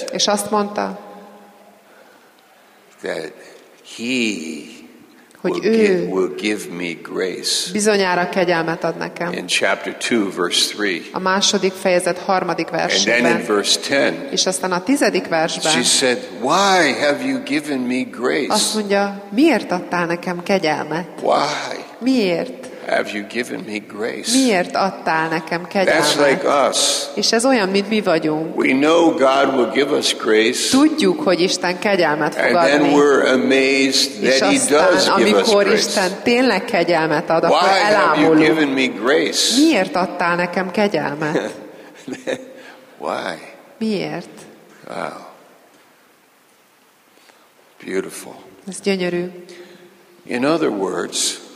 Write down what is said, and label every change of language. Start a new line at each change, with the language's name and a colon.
Hungarian: És azt mondta.
English: That he.
Hungarian: Hogy ő
English: will give me grace.
Hungarian: Bizonyára kegyelmet ad nekem.
English: In chapter 2 verse 3.
Hungarian: A második fejezet harmadik versében.
English: And then in verse 10.
Hungarian: És aztán a tizedik versben.
English: She said, "Why have you given me grace?"
Hungarian: Azt mondja, miért adtál nekem kegyelmet?
English: Why?
Hungarian: Miért?
English: Have you given me grace?
Hungarian: Miért adtál nekem kegyelmet?
English: That's like us.
Hungarian: És ez olyan, mint mi vagyunk.
English: We know God will give us grace.
Hungarian: Tudjuk, hogy Isten kegyelmet fog adni.
English: And then we're amazed that He does give us grace.
Hungarian: Amikor Isten tényleg kegyelmet ad, akkor elámulunk.
English: Why have you given me grace?
Hungarian: Miért adtál nekem kegyelmet?
English: Why?
Hungarian: Miért?
English: Wow. Beautiful.
Hungarian: Ez gyönyörű.
English: In other words,